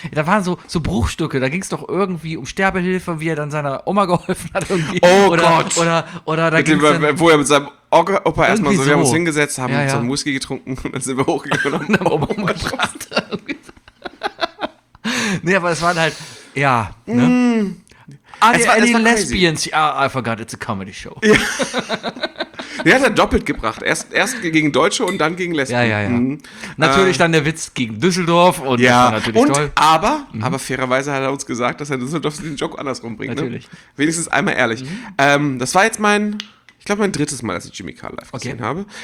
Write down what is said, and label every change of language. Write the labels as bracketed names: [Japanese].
[German] Da waren so Bruchstücke, da ging es doch irgendwie um Sterbehilfe, wie er dann seiner Oma geholfen hat. Irgendwie. Gott. Oder da ging es wo er mit seinem Opa erstmal so, wir haben uns hingesetzt, haben so einen Whisky getrunken und dann sind wir hochgegangen und haben Oma umgebracht. Nee, aber es waren halt, ja. [English] Any Lesbians, I forgot, it's a comedy show. [German] Ja. Der hat er doppelt gebracht. Erst gegen Deutsche und dann gegen Lesben. Ja. Natürlich dann der Witz gegen Düsseldorf und ja. Das war natürlich und, toll. Aber fairerweise hat er uns gesagt, dass er Düsseldorf den Joke andersrum bringt. Natürlich. Ne? Wenigstens einmal ehrlich. Das war jetzt mein drittes Mal, dass ich Jimmy Carr live gesehen habe.